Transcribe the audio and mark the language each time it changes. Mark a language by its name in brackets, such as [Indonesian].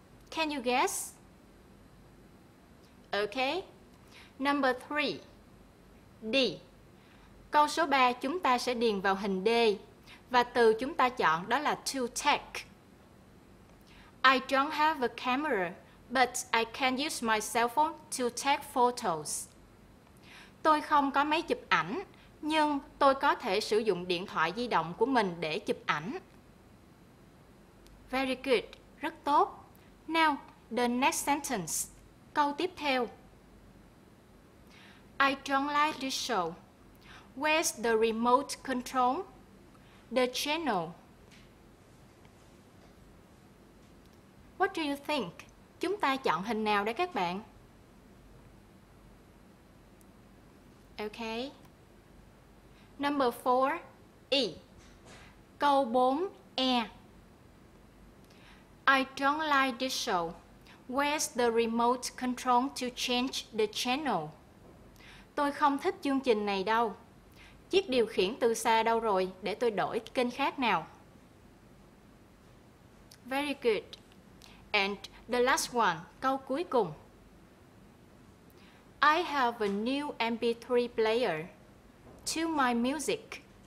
[English] Can you guess? Okay. Number 3. D. [Vietnamese] Câu số 3 chúng ta sẽ điền vào hình D. Và từ chúng ta chọn đó là to take. [English] I don't have a camera, but I can use my cell phone to take photos. [Vietnamese] Tôi không có máy chụp ảnh, nhưng tôi có thể sử dụng điện thoại di động của mình để chụp ảnh. [English] Very good. [Vietnamese] Rất tốt. [English] Now, the next sentence. [Vietnamese] Câu tiếp theo. [English] I don't like this show. Where's the remote control? The channel. What do you think? [Vietnamese] Chúng ta chọn hình nào đây các bạn? [English] Okay. Number 4, E. [Vietnamese] Câu 4, E. [English] I don't like this show. Where's the remote control to change the channel? [Vietnamese] Tôi không thích chương trình này đâu. Chiếc điều khiển từ xa đâu rồi để tôi đổi kênh khác nào? [English] Very good. And the last one, [Vietnamese] câu cuối cùng. [English] I have a new MP3 player to my music.